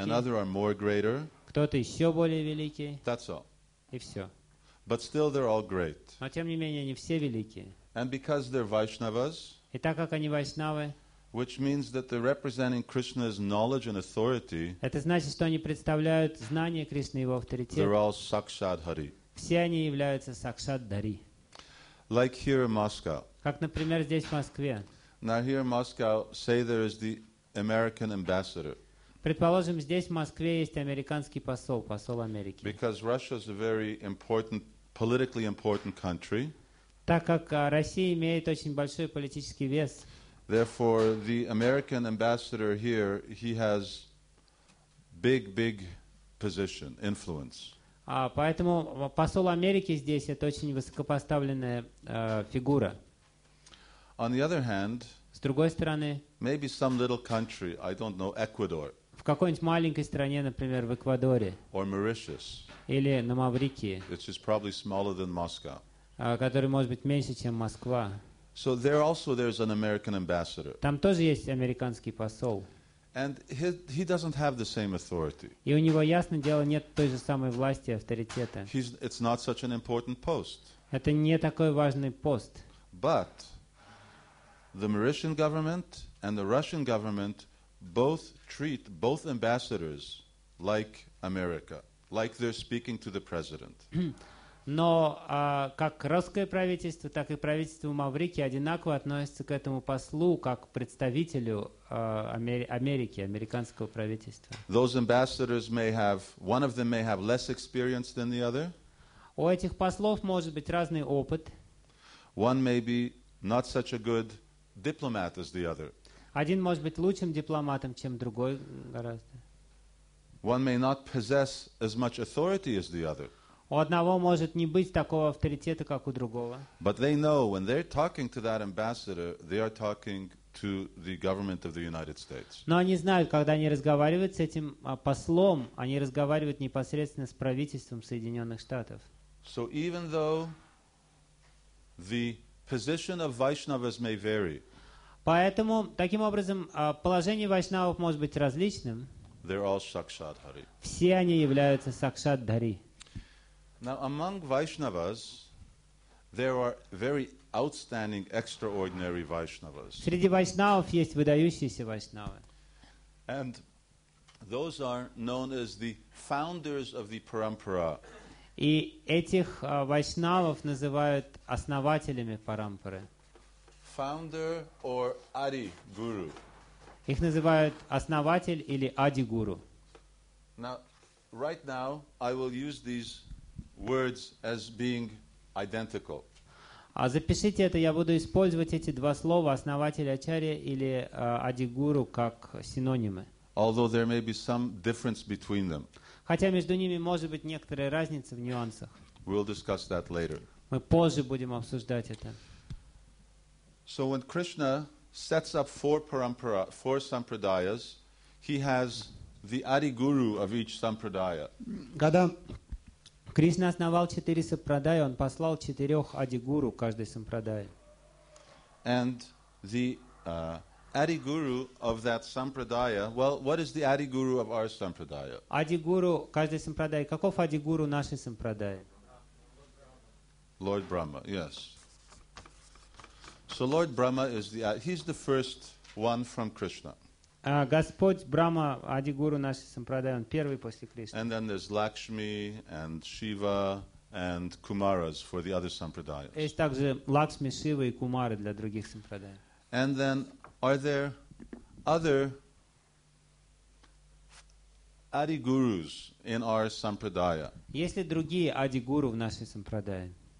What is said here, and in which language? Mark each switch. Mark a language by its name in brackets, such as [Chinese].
[English] And other are more greater. [Russian] Кто-то еще более великий. [English] That's all. [Russian] И все. [English] But still they're all great. [Russian] Но тем не менее они все великие. [English] And because they're Vaishnavas, [Russian] и так как они вайшнавы, [English] which means that they're representing Krishna's knowledge and authority, [Russian] это значит, что они представляют знание Кришны и его авторитет. [English] They're all Sakshad Hari. [Russian] Все они являются Сакшат Дари. [English] Like here in Moscow. [Russian] Как, например, здесь в Москве. [English] Now here in Moscow, say there is the American ambassador. [Russian] Предположим, здесь в Москве есть американский посол, посол Америки. [English] Because Russia is a very important, politically important country. [Russian] Так как Россия имеет очень большой политический вес. [English] Therefore, the American ambassador here, he has big, big position, influence. [Russian] Поэтому посол Америки здесь это очень высокопоставленная фигура. [English] On the other hand, [Russian] с другой стороны, [English] maybe some little country, I don't know, Ecuador. [Russian] В какой-нибудь маленькой стране, например, в Эквадоре. [English] Or Mauritius. [Russian] Или на Маврикии. [English] Which is probably smaller than Moscow. [Russian] Который может быть меньше, чем Москва. [English] So there also there's an American ambassador. [Russian] Там тоже есть американский посол. [English] And he doesn't have the same authority. [Russian] И у него, ясно дело, нет той же самой власти, авторитета. [English] It's not such an important post. [Russian] Это не такой важный пост. [English] But the Mauritian government and the Russian government both treat both ambassadors like America, like they're speaking to the president. [Russian] Но как русское правительство, так и правительство Маврикии одинаково относятся к этому послу, как к представителю Америки, американского правительства. [English] Those ambassadors may have, one of them may have less experience than the other. [Russian] У этих послов может быть разный опыт. [English] One may be not such a good diplomat as the other. [Russian] Один может быть лучшим дипломатом, чем другой гораздо. [English] One may not possess as much authority as the other. [Russian] У одного может не быть такого авторитета, как у другого. [English] But they know when they're talking to that ambassador, they are talking to the government of the United States. [Russian] Но они знают, когда они разговаривают с этим послом, они разговаривают непосредственно с правительством Соединенных Штатов. [English] So even though the position of Vaishnavas may vary, [Russian] поэтому, таким образом, положение вайшнавов может быть различным. [English] They're all Sakshat Hari. [Russian] Все они являются Сакшат Дари. [English] Now among Vaishnavas, There are very outstanding, extraordinary Vaishnavas. [Russian] Среди вайшнавов есть выдающиеся вайшнавы. [English] And those are known as the founders of the parampara. [Russian] И этих вайшнавов называют основателями парампары. [English] Founder or Adi Guru. [Russian] Их называют основатель или Ади Гуру. [English] Now, right now, I will use these words as being identical. [Russian] А запишите это, я буду использовать эти два слова, основатель Ачарья или Ади Гуру, как синонимы. [English] Although there may be some difference between them. [Russian] Хотя между ними может быть некоторая разница в нюансах. [English] We'll discuss that later. [Russian] Мы позже будем обсуждать это. [English] So when Krishna sets up four parampara, four sampradayas, he has the Adi Guru of each sampradaya. [Russian] Когда Кришна основал четыре сампрадаи, он послал четырех Ади Гуру каждой сампрадаи. [English] And the Adi Guru of that sampradaya, well, what is the Adi Guru of our sampradaya? [Russian] Ади Гуру каждой сампрадаи. Каков Ади Гуру нашей сампрадаи? [English] Lord Brahma, yes. So Lord Brahma is the he's the first one from Krishna. [Russian] Господь Брама, Ади Гуру нашей сампрадаи, он первый после Кришны. [English] And then there's Lakshmi and Shiva and Kumaras for the other sampradayas. [Russian] Есть также Лакшми, Шива и Кумары для других сампрадай. [English] And then are there other Adi Gurus in our sampradaya? [Russian] Есть ли другие Ади Гуру в нашей сампрадае?